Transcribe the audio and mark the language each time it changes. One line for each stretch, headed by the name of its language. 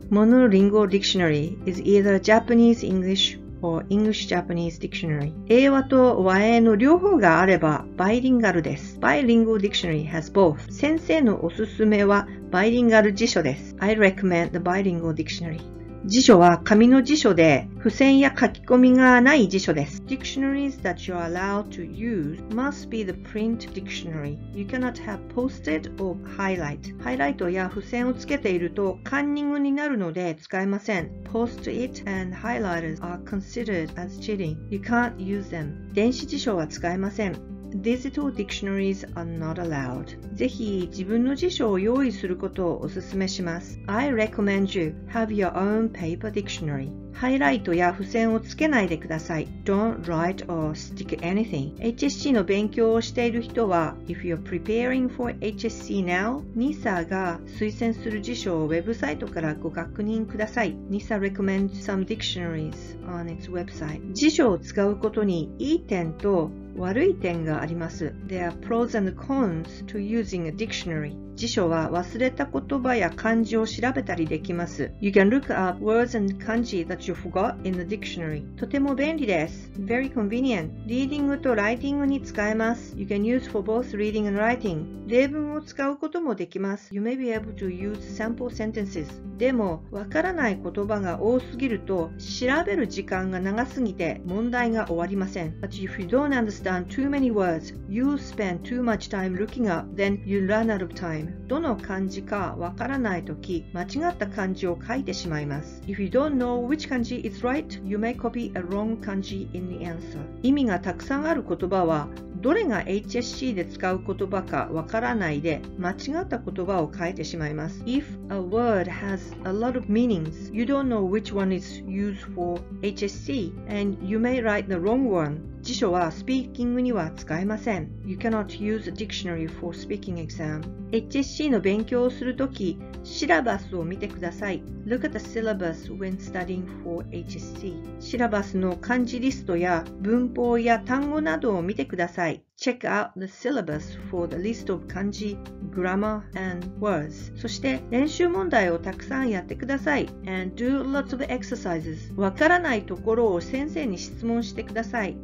English: Monolingual dictionary is either Japanese English or English Japanese dictionary.
Japanese: 英和と和英の両方があればバイリンガルです。
English: Bilingual dictionary has both.
Japanese: 先生のおすすめはバイリンガル辞書です。
English: I recommend the bilingual dictionary.
Japanese: 辞書は紙の辞書で、付箋や書き込みがない辞書です。
English: Dictionaries that you are allowed to use must be the print dictionary. You cannot have post-it or highlight.
Japanese: ハイライトや付箋をつけているとカンニングになるので使えません。
English: Post-it and highlighters are considered as cheating. You can't use them.
Japanese: 電子辞書は使えません。
English: Digital dictionaries are not allowed.
Japanese: ぜひ自分の辞書を用意することをお勧めします。
English: I recommend you have your own paper dictionary.
Japanese: ハイライトや付箋をつけないでください。
English: Don't write or stick anything.
Japanese: HSC の勉強をしている人は、
English: If you're preparing for HSC now,
Japanese: NISA が推薦する辞書をウェブサイトからご確認ください。
English: NISA recommends some dictionaries on its website.
Japanese: 辞書を使うことにいい点と悪い点があります。
English: There are pros and cons to using a dictionary.
Japanese: 辞書は忘れた言葉や漢字を調べたりできます。
English: You can look up words and kanji that you forgot in the dictionary.
Japanese: とても便利です。
English: Very convenient.
Japanese: リーディングとライティングに使えます。
English: You can use for both reading and writing.
Japanese: 例文を使うこともできます。
English: You may be able to use sample sentences.
Japanese: でも、わからない言葉が多すぎると、調べる時間が長すぎて問題が終わりません。
English: But if you don't understand too many words, you'll spend too much time looking up, then you run out of time.
Japanese: どの漢字かわからないとき、間違った漢字を書いてしまいます。
English: If you don't know which 漢字 is right, you may copy a wrong 漢字 in the answer.
Japanese: 意味がたくさんある言葉は、どれが HSC で使う言葉かわからないで、間違った言葉を書いてしまいます。
English: If a word has a lot of meanings, you don't know which one is used for HSC, and you may write the wrong one.
Japanese: 辞書はスピーキングには使えません。
English: You cannot use a dictionary for speaking exam.
Japanese: HSC の勉強をするとき、シラバスを見てください。
English: Look at the syllabus when studying for HSC.
Japanese: シラバスの漢字リストや文法や単語などを見てください。
English: Check out the syllabus for the list of 漢字、grammar and words.
Japanese: そして練習問題をたくさんやってください。
English: And do lots of exercises.
Japanese: わからないところを先生に質問してください。